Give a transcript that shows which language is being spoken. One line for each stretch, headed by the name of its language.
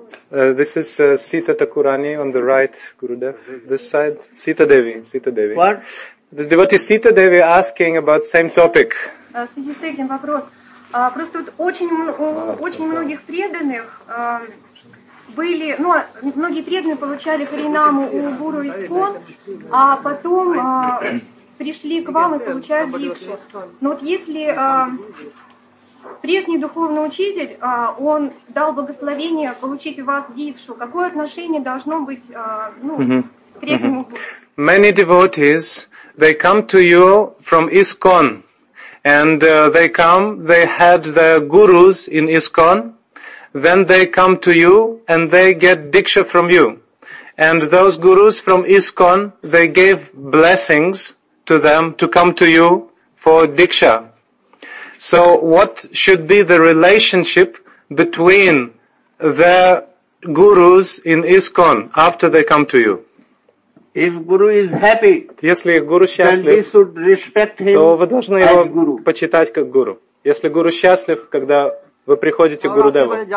English: This is Sita Takurani on the right, Gurudev. This side, Sita Devi. Sita Devi. What? This devotee Sita Devi asking about same topic.
Russian: В связи с этим вопрос. Просто вот очень многих преданных были, ну, многие преданные получали харинаму у гуру ISKCON, а потом пришли к вам и получают дикшу. Но вот если прежний духовный учитель, он дал благословение получить у вас дикшу. Какое отношение должно быть, ну, к прежнему гуру?
English: Many devotees, they come to you from ISKCON. And they come, they had their gurus in ISKCON. Then they come to you and they get diksha from you. And those gurus from ISKCON, they gave blessings to them to come to you for diksha. So what should be the relationship between their gurus in ISKCON after they come to you? If guru is happy,
Russian: если гуру счастлив,
English: then we should respect him,
Russian: то вы должны его почитать как гуру. Если гуру счастлив, когда вы приходите к Гурудеву.